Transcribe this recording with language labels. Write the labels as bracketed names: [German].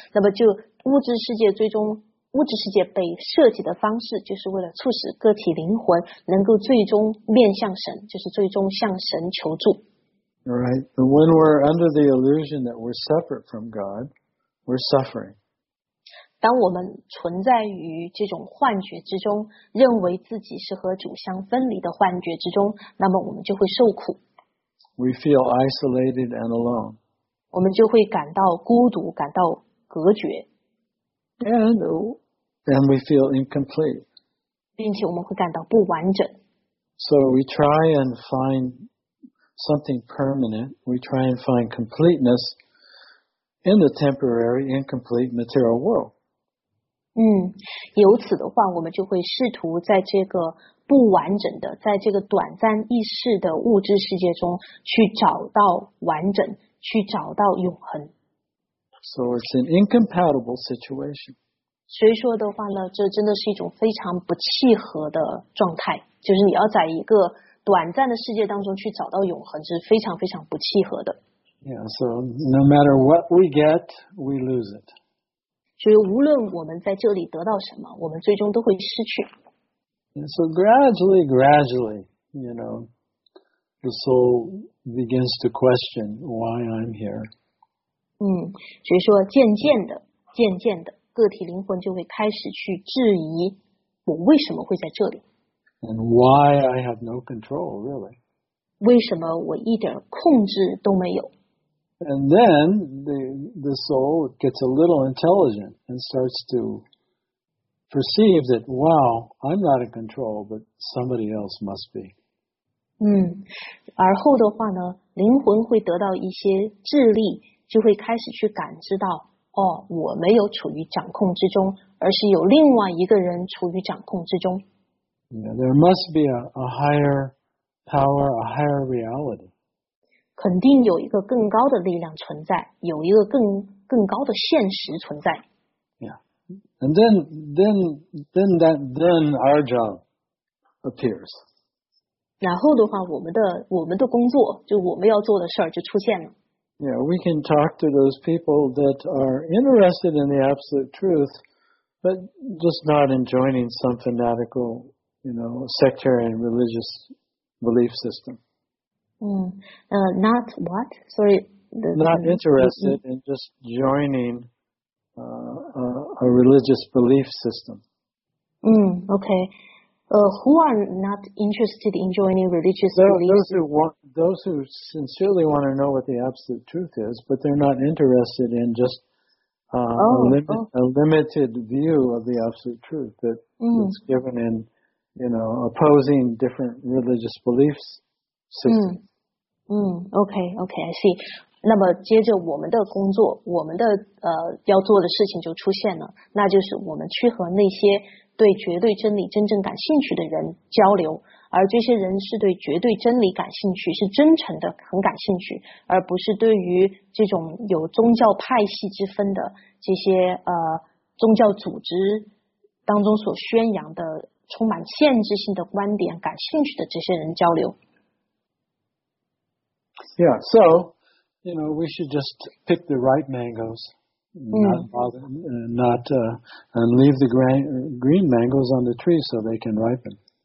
[Chinese] 那么就物质世界被设计的方式就是为了促使个体灵魂能够最终面向神，就是最终向神求助。 [English] Right. And when we're under the illusion that we're separate from God, we're suffering. [Chinese] 当我们存在于这种幻觉之中，认为自己是和主相分离的幻觉之中，那么我们就会受苦。 [English] We feel isolated and alone. [Chinese] 我们就会感到孤独，感到隔绝。 [English] And we feel incomplete. [Chinese] 并且我们会感到不完整。 [English] So we try and find something permanent. We try and find completeness in the temporary, incomplete material world. [Chinese] 由此的话，我们就会试图在这个不完整的，在这个短暂易逝的物质世界中去找到完整，去找到永恒。 [English] So it's an incompatible situation. [Chinese] 所以说的话呢，这真的是一种非常不契合的状态，就是你要在一个短暂的世界当中去找到永恒，是非常非常不契合的。 [English] Yeah, so no matter what we get, we lose it. [Chinese] 所以无论我们在这里得到什么，我们最终都会失去。 [English] And so gradually, you know, the soul begins to question why I'm here. [Chinese] 所以说渐渐的个体灵魂就会开始去质疑我为什么会在这里。 [English] And why I have no control, really. [Chinese] 为什么我一点控制都没有。 [English] And then the soul gets a little intelligent and starts to perceive that, wow, I'm not in control, but somebody else must be. [Chinese] 而后的话呢，灵魂会得到一些智力，就会开始去感知到，哦，我没有处于掌控之中，而是有另外一个人处于掌控之中。 [English] Yeah, there must be a higher power, a higher reality. [Chinese] 肯定有一个更高的力量存在，有一个更高的现实存在。 [English] Yeah, and then our job appears. [Chinese] 然后的话，我们的工作，就我们要做的事儿就出现了。 [English] Yeah, we can talk to those people that are interested in the absolute truth, but just not in joining some fanatical, you know, sectarian religious belief system. Not what? Sorry. Not interested in just joining a religious belief system. Okay. Who are not interested in joining religious beliefs? Those who sincerely want to know what the absolute truth is, but they're not interested in just a limited view of the absolute truth that's given in, you know, opposing different religious beliefs systems. Okay, I see. [Chinese] 那么接着我们的工作，我们的要做的事情就出现了，那就是我们去和那些对绝对真理真正感兴趣的人交流，而这些人是对绝对真理感兴趣，是真诚的很感兴趣，而不是对于这种有宗教派系之分的这些宗教组织当中所宣扬的充满限制性的观点感兴趣的这些人交流。 [English] Yeah, so you know, we should just pick the right mangoesand leave the green mangoes on the tree so they can ripen.